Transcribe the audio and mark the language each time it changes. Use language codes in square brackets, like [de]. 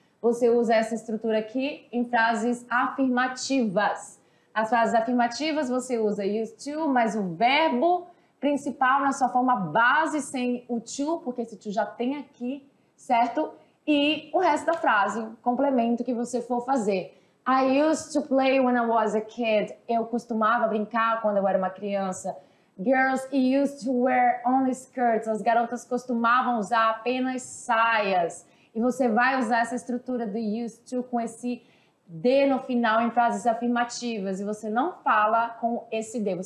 [pt] Você usa essa estrutura aqui em frases afirmativas. As frases afirmativas você usa used to, mas o verbo principal na sua forma base sem o to, porque esse to já tem aqui, certo? E o resto da frase, complemento que você for fazer. [en] I used to play when I was a kid. [pt] Eu costumava brincar quando eu era uma criança. [en] Girls used to wear only skirts. [pt] As garotas costumavam usar apenas saias. E você vai usar essa estrutura do used to com esse D no final em frases afirmativas. E você não fala com esse D.